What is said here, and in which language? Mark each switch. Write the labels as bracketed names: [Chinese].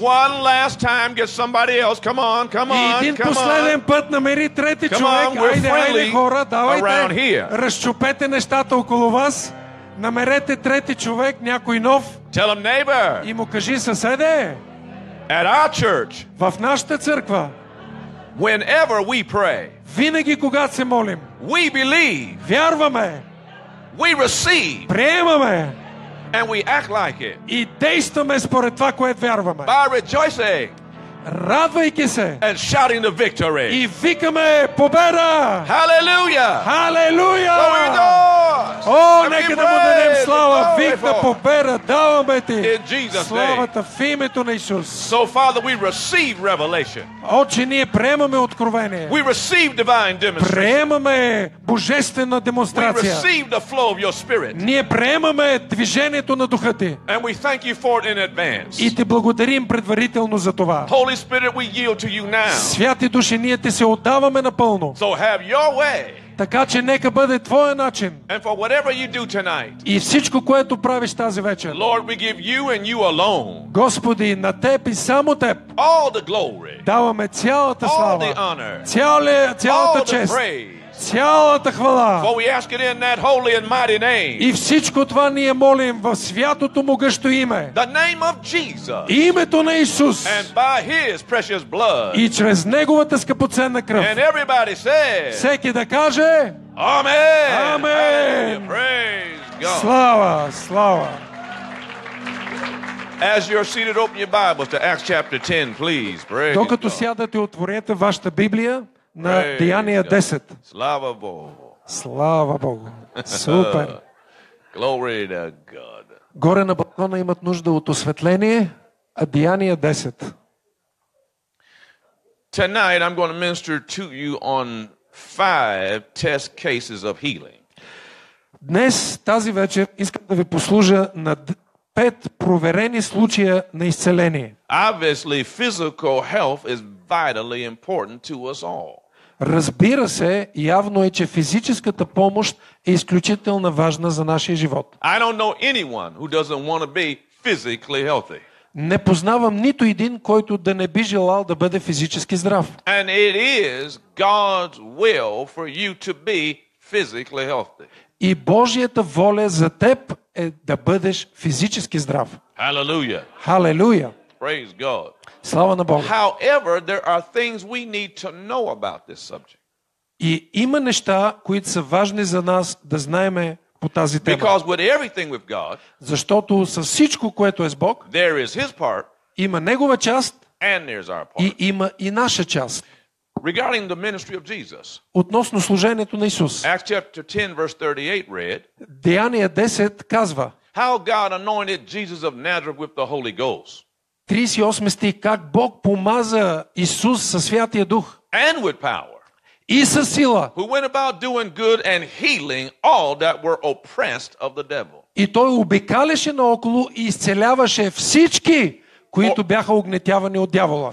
[English] One last time, get somebody else. Come on, come on, come on. [Bulgarian] И един последен път намери трети човек. [English] Come on, we're [Bulgarian] айде, [English] friendly [Bulgarian] айде, [English] around here. [Bulgarian] Разчупете нещата около вас. Намерете трети човек, някой нов. [English] Tell him, neighbor. [Bulgarian] И му кажи, съседе. [English] At our church. [Bulgarian] В нашата църква. [English] Whenever we pray. [Bulgarian] Винаги когато се молим. [English] We believe. [Bulgarian] Вярваме. [English] We receive. [Bulgarian] Приемаме. [English] And we act like it. [Bulgarian] И действаме според това, което вярваме. [English] By rejoicing. [Bulgarian] Радвайки се. [English] And shouting the victory. [Bulgarian] И викаме победа. [English] Hallelujah. Hallelujah. Glory to God. [Bulgarian] О, нека да му дадем слава. [English] Glory. [Bulgarian] Великата победа даваме ти. [English] In Jesus' name. [Bulgarian] Славата в името на Исус. [English] So Father, we receive revelation. [Bulgarian] Отче, ние приемаме откровение. [English] We receive divine demonstration. [Bulgarian] Приемаме божествена демонстрация. [English] We receive the flow of your spirit. [Bulgarian] Ние приемаме движението на духа ти. [English] And we thank you for it in advance. [Bulgarian] И ти благодарим предварително за това. [English] Holy Spirit, we yield to you now. [Bulgarian] Святи Душе, ние ти се отдаваме напълно. [English] So have your way. [Bulgarian] Така че нека бъде Твоя начин. [English] And for whatever you do tonight, [Bulgarian] и всичко, което правиш тази вечер. [English] Lord, we give you and you alone, [Bulgarian] Господи, на Теб и само Теб. [English] All the glory, [Bulgarian] даваме цялата слава. [English] All the honor, [Bulgarian] цялата чест. [English] All the praise, [Bulgarian] цялата хвала. [English] For we ask it in that holy and mighty name, [Bulgarian] и всичко това ние молим в святото могъщо име. [English] The name of Jesus, [Bulgarian] името на Исус. [English] And by his precious blood, [Bulgarian] и чрез Неговата скъпоценна кръв. [English] And everybody says, [Bulgarian] всеки да каже Амен! Амен! [English] Praise God. [Bulgarian] Слава! Слава! [English] As you're seated, open your Bibles to Acts chapter 10, please. Praise God. [Bulgarian] Докато сядате, отворете вашата Библия на Деяния 10. Слава Богу! Слава Богу! Супер! [English] Glory to God. [Bulgarian] Горе на балкона имат нужда от осветление, а Деяния 10. [English] Tonight I'm going to minister to you on 5 test cases of healing. [Bulgarian] Днес, тази вечер, искам да ви послужа на 5 проверени случая на изцеление. [English] Obviously, physical health is vitally important to us all. [Bulgarian] Разбира се, явно е, че физическата помощ е изключително важна за нашия живот. [English] I don't know anyone who doesn't want to be physically healthy. [Bulgarian] Не познавам нито един, който да не би желал да бъде физически здрав. [English] And it is God's will for you to be physically healthy. [Bulgarian] И Божията воля за теб е да бъдеш физически здрав. [English] Hallelujah. Hallelujah. Praise God. [Bulgarian] Слава на Бога. [English] However, there are things we need to know about this subject. [Bulgarian] И има неща, които са важни за нас да знаем по тази тема. [English] Because with everything with God, [Bulgarian] защото с всичко, което е с Бог, [English] there is his part, [Bulgarian] има негова част, [English] and there's our part. [Bulgarian] И има и наша част. [English] Regarding the ministry of Jesus, [Bulgarian] относно служението на Исус. [English] Acts chapter 10 verse 38 read, [Bulgarian] Деяния 10 казва, [English] how God anointed Jesus of Nazareth with the Holy Ghost. [Bulgarian] 38 стих, как Бог помаза Исус със Святия Дух [English] and with power, [Bulgarian] и със сила. [English] Who went about doing good and healing all that were oppressed of the devil. [Bulgarian] И той обикаляше наоколо и изцеляваше всички, които бяха угнетявани от дявола.